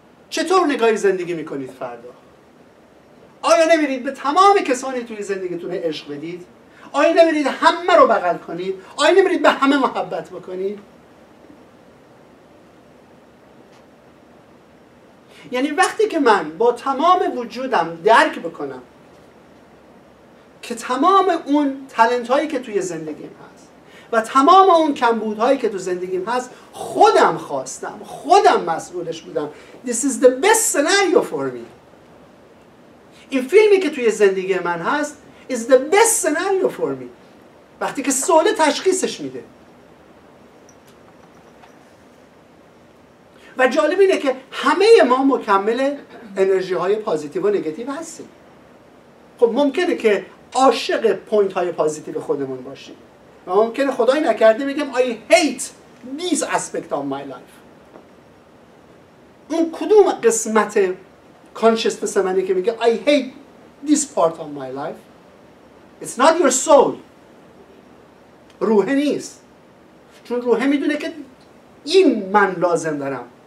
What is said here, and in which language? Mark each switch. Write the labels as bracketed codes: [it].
[fa] چطور نگاهی زندگی میکنید فردا؟ آیا نمیرید به تمام کسانی توی زندگیتون عشق بدید؟ آیا نمیرید همه رو بغل کنید؟ آیا نمیرید به همه محبت بکنید؟ یعنی وقتی که من با تمام وجودم درک بکنم که تمام اون تلنت هایی که توی زندگیم هست و تمام اون کمبودهایی که تو زندگیم هست خودم خواستم، خودم مسئولش بودم. [en] This is the best scenario for me. [fa] این فیلمی که توی زندگی من هست [en] is the best scenario for me. [fa] وقتی که سوله تشخیصش میده. و جالب اینه که همه ما مکمل انرژی های پازیتیو و نگاتیو هستیم. خب ممکنه که عاشق پوینت های پازیتیو خودمون باشیم و ممکنه خدای نکرده بگم [en] I hate these aspects of my life. [fa] اون کدوم قسمت consciousness منه که میگه [en] I hate this part of my life. It's not your soul. [fa] روح نیست. چون روح میدونه که این من لازم دارم.